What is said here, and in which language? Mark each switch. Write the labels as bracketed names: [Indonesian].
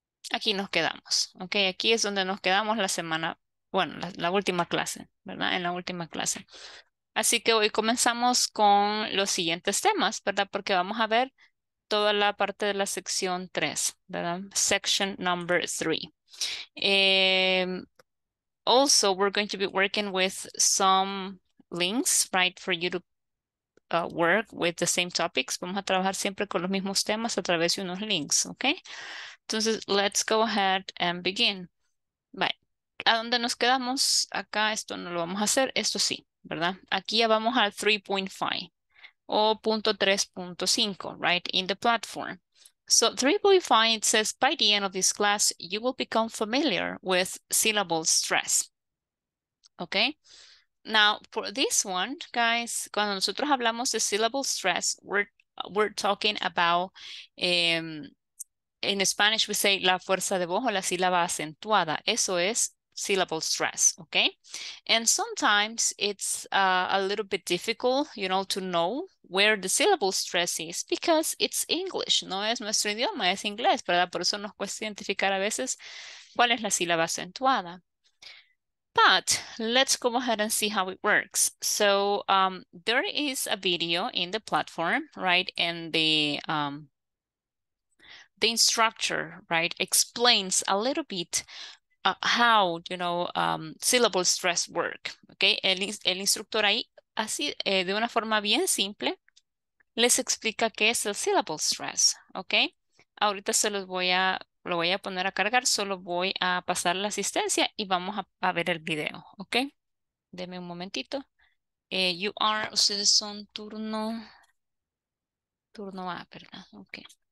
[Spanish] Aquí nos quedamos. Ok, aquí es donde nos quedamos la semana, bueno, la última clase, ¿verdad? En la última clase. Así que hoy comenzamos con los siguientes temas, ¿verdad? Porque vamos a ver toda la parte de la sección 3, ¿verdad? [English] Section number 3. Also, we're going to be working with some links, right, for you to work with the same topics. [Spanish] Vamos a trabajar siempre con los mismos temas a través de unos links, okay? [English] Entonces, let's go ahead and begin. Bye. [Spanish] ¿A dónde nos quedamos? Acá esto no lo vamos a hacer. Esto sí, ¿verdad? Aquí ya vamos al 3.5 o .3.5, right, [English] in the platform. So 3.5, it says, by the end of this class, you will become familiar with syllable stress. Okay? Now, for this one, guys, [Spanish] cuando nosotros hablamos de syllable stress, [English] we're talking about, in Spanish, we say [Spanish] la fuerza de voz o la sílaba acentuada. Eso es [English] syllable stress, okay? And sometimes it's a little bit difficult, you know, to know where the syllable stress is because it's English, [Spanish] no es nuestro idioma, es inglés, ¿verdad? Por eso nos cuesta identificar a veces cuál es la sílaba acentuada. [English] But let's go ahead and see how it works. So there is a video in the platform, right? And the instructor, right, explains a little bit how, you know, syllable stress work, okay? [Spanish] El instructor ahí, así, de una forma bien simple, les explica qué es el syllable stress, okay? Ahorita se los voy a, lo voy a poner a cargar, solo voy a pasar la asistencia y vamos a ver el video, okay? Deme un momentito. [English] You are, [Spanish] ustedes son turno A, ¿verdad? Okay.